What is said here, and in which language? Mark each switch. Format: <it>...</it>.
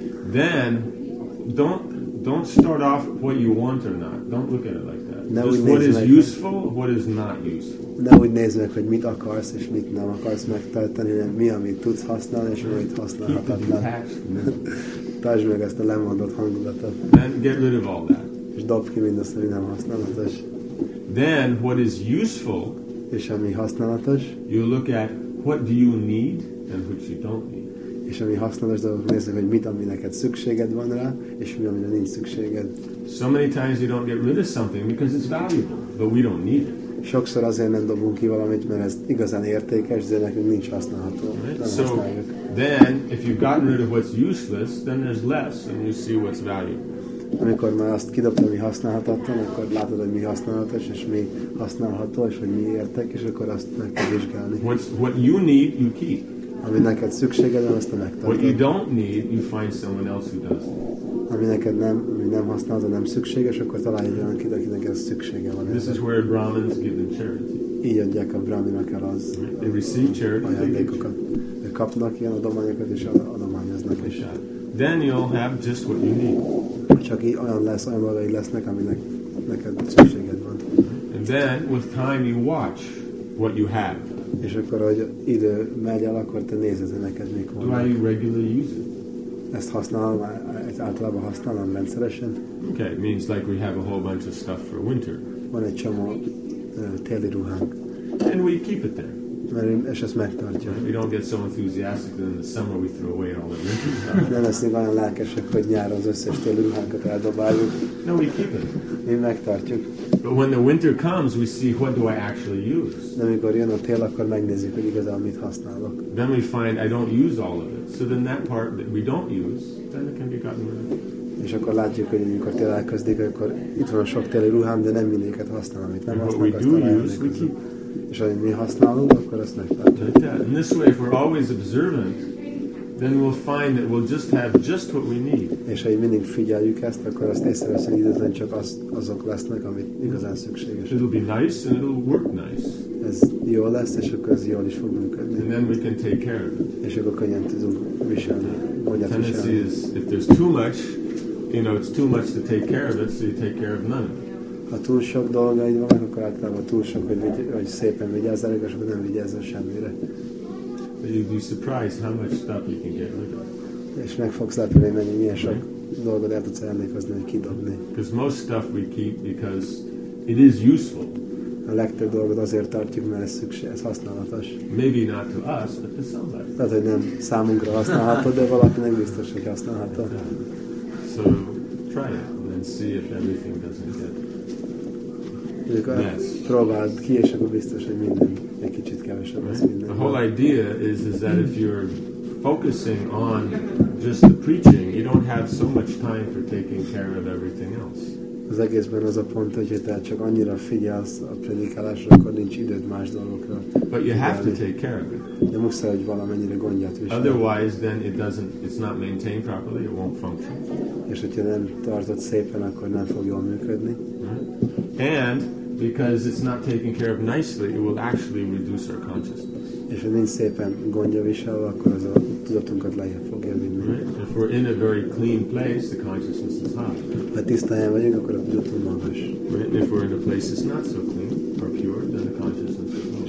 <en>Then don't start off what you want or not. Don't look at it like that.</en> <hu>Ne</hu> <en>just what is</en> <hu>meg,</hu> <en>useful, what is not useful.</en> <hu>Ne úgy nézz meg, hogy mit akarsz és mit nem akarsz megtartani, hanem mi, amit tudsz használni és amit használhatatlan. Tartsd meg ezt a lemondott hangulatot.</hu> <en>Then get rid of all that.</en> <hu>És dobd ki mindazt, ami nem használatos.</hu> <en>Then what is useful,</en> <hu>és ami használatos,</hu> <en>you look at what do you need and what you don't need.</en> <hu>És ami használatos dolog, nézzük, hogy mit, ami neked szükséged van rá, és mi, amire nincs szükséged.</hu> <en>So many times you don't get rid of something because it's valuable, but we don't need it.</en> <hu>Sokszor azért nem dobunk ki valamit, mert ez igazán értékes, de nekünk nincs használható.</hu> <en>Right? So</en> <hu>használjuk.</hu> <en>Then, if you've gotten rid of what's useless, then there's less, and you see what's valuable.</en> <hu>Amikor már azt kidobtad, ami használhatatlan, akkor látod, hogy mi használatos, és mi használható, és hogy mi értek, és akkor azt meg kell vizsgálni.</hu> <en>What you need, you keep.</en> <hu>Ami neked szükséged van, azt a megtartod.</hu> <en>What you don't need, you find someone else who does.</en> <hu>Ami neked nem használod, nem szükséges, akkor találj egy olyan kit, akinek ez szüksége van.</hu> <en>This is where Brahmins give the charity.</en> <hu>Így adják a Brahminak el az ajándékokat. Ők kapnak ilyen adományokat, és adományoznak is.</hu> <en>Then you'll have just what you need.</en> <hu>Csak így olyan lesz, olyan valami lesznek, aminek neked szükséged van.</hu> <en>And then, with time, you watch what you have.</en> <hu>És akkor, hogy idő megy el, akkor te nézed, hogy neked mik vannak.</hu> <en>Do I regularly use it?</en> <hu>Ezt használom, általában használom rendszeresen.</hu> <en>Okay, it means like we have a whole bunch of stuff for winter.</en> <hu>Van egy csomó téli ruhánk.</hu> <en>And we keep it there.</en> <hu>És ezt megtartja.</hu> <en>We don't get so enthusiastic that in the summer we throw away all the winter stuff.</en> <hu>Nem leszünk olyan lelkesek, hogy nyáron az összes téli ruhánkat eldobáljuk.</hu> <en>No, we keep it.</en> <hu>Mi megtartjuk.</hu> <en>But when the winter comes, we see what do I actually use.</en> <hu>De amikor jön a tél, akkor megnézzük, hogy igazán mit használok.</hu> <en>Then we find I don't use all of it. So then that part that we don't use, then it can be gotten rid of.</en> <hu>És akkor látjuk, hogy amikor tél elkezdik, akkor itt van sok téli ruhám, de nem mindegyiket használom, amit nem használok.</hu> <en>What we do use, we keep.</en> <hu>És amit mi használunk, akkor azt megtartjuk.</hu> <en>In this way, if we're always observant, then we'll find that we'll just have just what we need.</en> <hu>És ha mindig figyeljük ezt, akkor azt észreveszünk, hogy időben csak azok lesznek, amit igazán szükséges.</hu> <en>It'll be nice and it'll work nice.</en> <hu>Ez jó lesz, és akkor ez jól is fog működni.</hu> <en>And then we can take care of it.</en> <hu>És akkor könnyen tudunk viselni.</hu> <en>Tendency is, if there's too much, you know, it's too much to take care of it, so you take care of none.</en> <hu>Ha túl sok dolgaid van, akkor általában túl sok, hogy szépen vigyázzál, és akkor nem vigyázzál semmire.</hu> <en>You'd be surprised how much stuff you can get rid of.</en> <hu>És meg fogsz látni, mennyi milyen sok dolgot el tudsz emlékezni, hogy kidobni.</hu> <en>Because most stuff we keep because it is useful.</en> <hu>A legtöbb dolgot azért tartjuk, mert ez szükség, ez használatos.</hu> <en>Maybe not to us, but to somebody.</en> <hu>Tehát, hogy nem számunkra használható, de valaki nem biztos, hogy használható.</hu> <en>So try it and see if everything doesn't get messed.</en> <hu>Próbáld ki, és akkor biztos, hogy minden. Egy kicsit kevesebb lesz minden.</hu> <en>The whole idea is that if you're focusing on just the preaching, you don't have so much time for taking care of everything else.</en> <hu>Az egészben az a pont, hogy te csak annyira figyelsz a predikálásra, akkor nincs időd más dolgokra.</hu> <en>But you have to take care of it.</en> <hu>De muszáj, hogy valamennyire gondját viselj.</hu> <en>Otherwise, then it's not maintained properly, it won't function.</en> <hu>És hogyha nem tartod szépen, akkor nem fog jól működni.</hu> <en>And because it's not taken care of nicely, it will actually reduce our consciousness.</en> <hu>És ha nincs szépen gondja viselve, akkor az a tudatunkat lejjebb fogja vinni.</hu> <en>Right? If we're in a very clean place, the consciousness is high.</en> <hu>Ha tiszta helyen vagyunk, akkor a tudatunk magas.</hu> <en>Right? If we're in a place that's not so clean or pure, then the consciousness is low.</en>